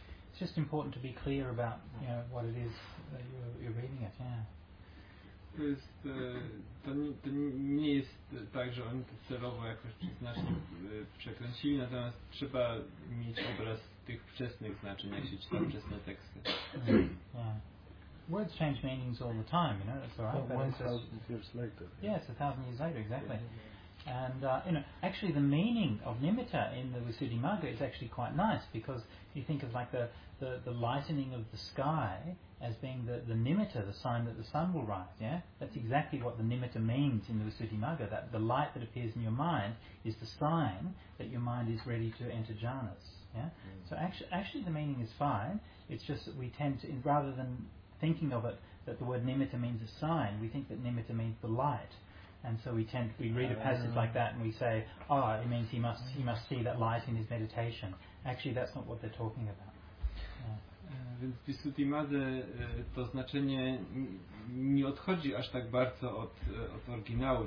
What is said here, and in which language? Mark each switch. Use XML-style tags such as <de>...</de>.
<en>It's just important to be clear about, you know, what it is that you're reading it, yeah.</en> <pl>To jest, to nie jest tak, że oni to celowo jakoś znacznie przekręcili, natomiast trzeba mieć obraz tych wczesnych znaczeń, jak się czyta wczesne teksty.</pl> <en>Words change meanings all the time, you know, that's all right. Well, 1,000 years later. Yes, 1,000 years later, exactly. Yeah. And, you know, actually the meaning of nimitta in the Visuddhimagga is actually quite nice, because you think of like the lightening of the sky as being the nimitta, the sign that the sun will rise, yeah? That's exactly what the nimitta means in the Visuddhimagga, that the light that appears in your mind is the sign that your mind is ready to enter jhanas, yeah? So actually the meaning is fine, it's just that we tend to, rather than thinking of it that the word nimitta means a sign, we think that nimitta means the light. And so we read a passage like that and we say, oh, it means he must see that light in his meditation. Actually, that's not what they're talking about.</en> <pl>Więc w Visuddhimagga to znaczenie nie odchodzi aż tak bardzo od oryginału.</pl>